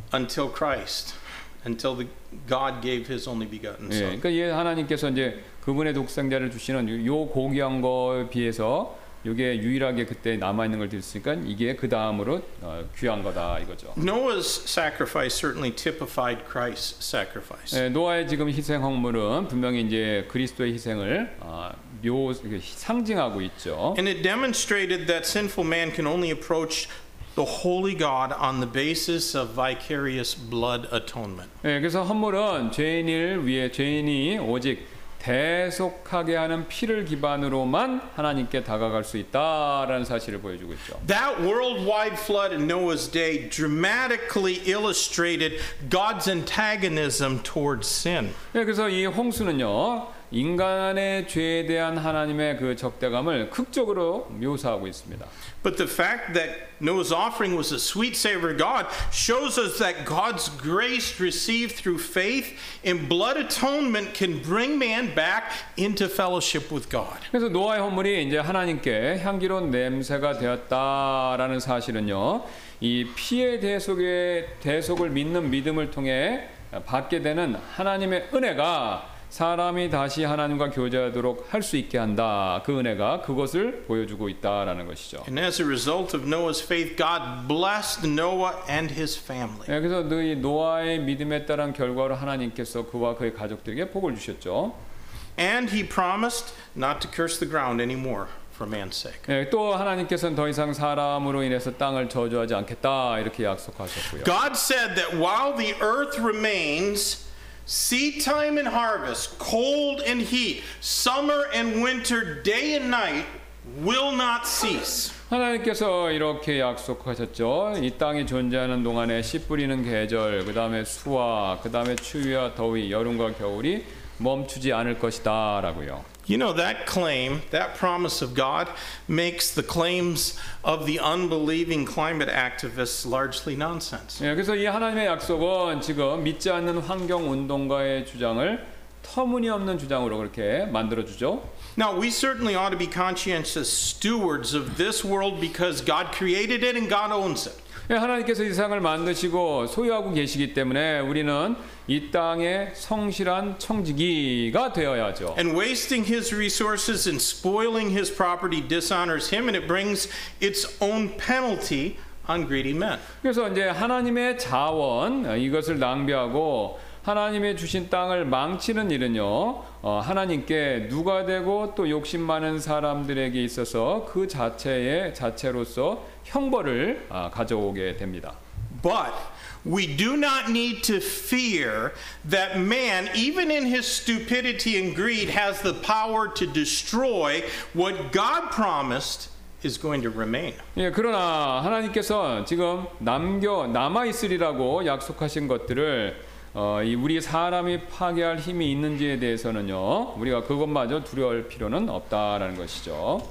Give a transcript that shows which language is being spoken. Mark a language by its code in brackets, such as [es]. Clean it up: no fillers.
[en] Until Christ, until the God gave His only begotten Son. [ko] 예, 그러니까 예, 하나님께서 이제 그분의 독생자를 주시는 요 고귀한 거에 비해서 이게 유일하게 그때 남아 있는 걸 드렸으니까 이게 그 다음으로 귀한 거다 이거죠. [en] Noah's sacrifice certainly typified Christ's sacrifice. [ko] 예, 노아의 지금 희생 헌물은 분명히 이제 그리스도의 희생을 상징하고 있죠. [en] And it demonstrated that sinful man can only approach the holy God on the basis of vicarious blood atonement. [ko] 예, 그래서 헌물은 죄인을 위해 죄인이 오직 대속하게 하는 피를 기반으로만 하나님께 다가갈 수 있다라는 사실을 보여주고 있죠. [en] That worldwide flood in Noah's day dramatically illustrated God's antagonism towards sin. [ko] 예, 그래서 이 홍수는요. 인간의 죄에 대한 하나님의 그 적대감을 극적으로 묘사하고 있습니다. [en] But the fact that Noah's offering was a sweet savor to God shows us that God's grace received through faith in blood atonement can bring man back into fellowship with God. [ko] 그래서 노아의 헌물이 이제 하나님께 향기로운 냄새가 되었다라는 사실은요. 이 피의 대속을 믿는 믿음을 통해 받게 되는 하나님의 은혜가 사람이 다시 하나님과 교제하도록 할 수 있게 한다. 그 은혜가 그것을 보여주고 있다라는 것이죠. [en] And as a result of Noah's faith, God blessed Noah and his family. [ko] 네, 그래서 노아의 믿음에 따른 결과로 하나님께서 그와 그의 가족들에게 복을 주셨죠. [en] And he promised not to curse the ground anymore for man's sake. [ko] 네, 또 하나님께서는 더 이상 사람으로 인해서 땅을 저주하지 않겠다 이렇게 약속하셨고요. [en] God said that while the earth remains, seed time and harvest, cold and heat, summer and winter, day and night will not cease. [ko] 하나님께서 이렇게 약속하셨죠. 이 땅이 존재하는 동안에 씨 뿌리는 계절, 그 다음에 수와, 그 다음에 추위와 더위, 여름과 겨울이 멈추지 않을 것이다라고요. [en] You know that claim, that promise of God makes the claims of the unbelieving climate activists largely nonsense. [ko] 예, 그래서 이 하나님의 약속은 지금 믿지 않는 환경 운동가의 주장을 터무니없는 주장으로 그렇게 만들어 주죠. [en] Now we certainly ought to be conscientious stewards of this world because God created it and God owns it. [ko] 예, 하나님께서 이 세상을 만드시고 소유하고 계시기 때문에 우리는 이 땅의 성실한 청지기가 되어야죠. [en] And wasting his resources and spoiling his property dishonors him and it brings its own penalty on greedy men. [ko] 그래서 이제 하나님의 자원 이것을 낭비하고 하나님의 주신 땅을 망치는 일은요. 하나님께 누가 되고 또 욕심 많은 사람들에게 있어서 그 자체의 자체로서 형벌을 가져오게 됩니다. [en] But we do not need to fear that man, even in his stupidity and greed, has the power to destroy what God promised is going to remain. [ko] 예, 그러나 하나님께서 지금 남아 있으리라고 약속하신 것들을 이 우리 사람이 파괴할 힘이 있는지에 대해서는요, 우리가 그것마저 두려울 필요는 없다라는 것이죠.